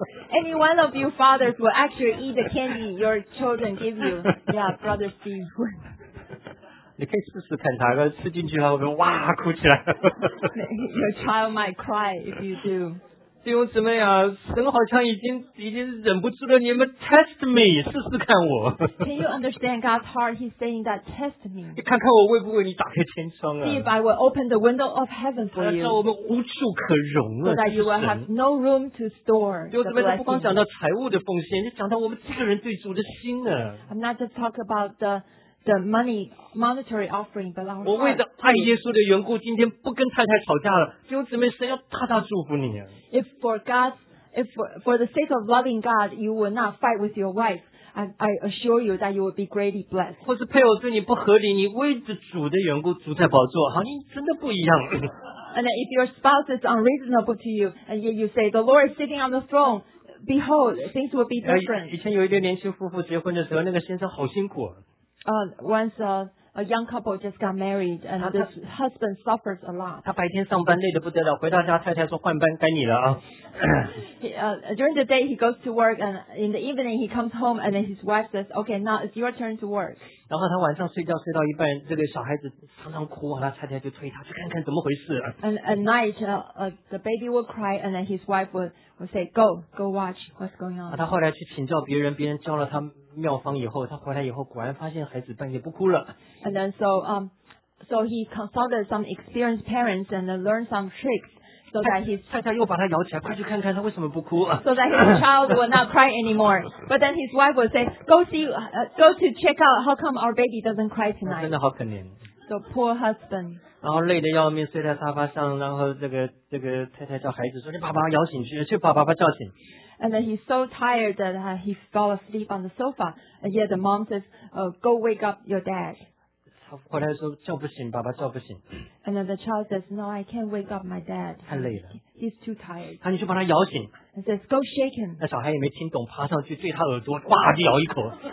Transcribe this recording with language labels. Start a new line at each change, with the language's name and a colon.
English: Any one of you fathers will actually eat the candy your children give you? Yeah, Brother Steve.
Chinese: 你可以试试看，他吃进去了会不会哇哭起来。
English: Your child might cry if you do.
Chinese: 弟兄姊妹啊，神好像已经忍不住了，你们
English: test me
Chinese: 试试看我。
English: Can you understand God's heart? He's saying that test me.
Chinese: 你看看我为不为你打开天窗啊
English: ？See if I will open the window of heaven for you.
Chinese: 让我们无处可容啊
English: ！So that you will have no room to store.
Chinese: 弟兄姊妹，不光讲到财务的奉献，就讲到我们这个人对主的心呢。
English: I'm not just talk about the money monetary offering, but our.
Chinese: 我为着爱耶稣的缘故，今天不跟太太吵架了。弟兄姊妹，神要大大祝福你啊！
English: If for the sake of loving God, you will not fight with your wife, I assure you that you will be greatly blessed.
Chinese: 或是配偶对你不合理，你为着主的缘故，主在宝座，好像真的不一样。
English: And then if your spouse is unreasonable to you, and yet you say the Lord is sitting on the throne, behold, things will be different.
Chinese: 以前有一对年轻夫妇结婚的时候，那个先生好辛苦。
English: Once a young couple just got married, and this husband suffers a lot.
Chinese: 他白天上班累得不得了，回到家太太说换班该你了啊。
English: During the day he goes to work, and in the evening he comes home, and then his wife says, "Okay, now it's your turn to work."
Chinese: 然后他晚上睡觉睡到一半，这个小孩子常常哭，然后太太就推他去看看怎么回事。
English: And at night, the baby would cry, and then his wife would say, "Go watch what's going on."
Chinese: 他后来去请教别人，别人教了他。妙方以后，他回来以后果然发现孩子半夜不哭了。
English: And then so he consulted some experienced parents and learned some tricks so that his
Chinese: 太太又把他摇起来，快去看看他为什么不哭。
English: So that his child will not cry anymore. But then his wife will say, go to check out how come our baby doesn't cry tonight.
Chinese: 真的好可怜。
English: So poor husband.
Chinese: 然后累得要命，睡在沙发上，然后这个太太叫孩子说，你把爸爸摇醒去把爸爸叫醒。
English: And then he's so tired that he fell asleep on the sofa. And yet the mom says, go wake up your dad.
Chinese: 他回来说叫不醒，爸爸叫不醒。
English: And then the child says, no, I can't wake up my dad.
Chinese: 太累了。
English: He's too tired.
Chinese: 他你去把他摇醒。
English: And says, go shake him.
Chinese: 那小孩也没听懂，爬上去对他耳朵，哇就咬一口。